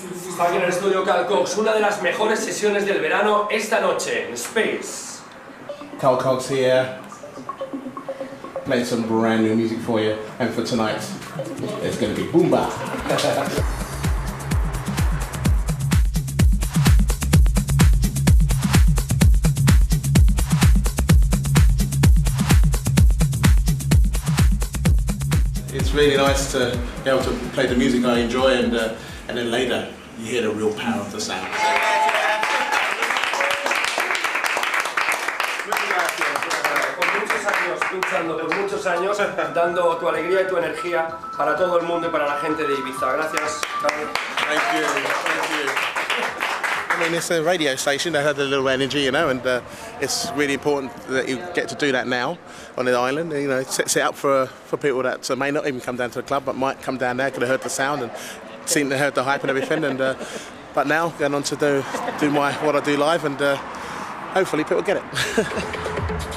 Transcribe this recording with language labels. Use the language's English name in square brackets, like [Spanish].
[Spanish] Está aquí en el estudio Carl Cox, una de las mejores sesiones del verano esta noche en Space. [English] Carl Cox here, playing some brand new music for you, and for tonight, it's going to be Boomba. It's really nice to be able to play the music I enjoy, and then later you hear the real power of the sound. [Spanish] Luchando por muchos años, dando tu alegría y tu energía para todo el mundo y para la gente de Ibiza. Gracias. [English] Thank you. Thank you. I mean, it's a radio station that had a little energy, you know, and it's really important that you get to do that now on the island. And, you know, it sets it up for people that may not even come down to the club, but might come down there, could have heard the sound and seen and heard the hype and everything. And but now, going on to do my what I do live, and hopefully people get it.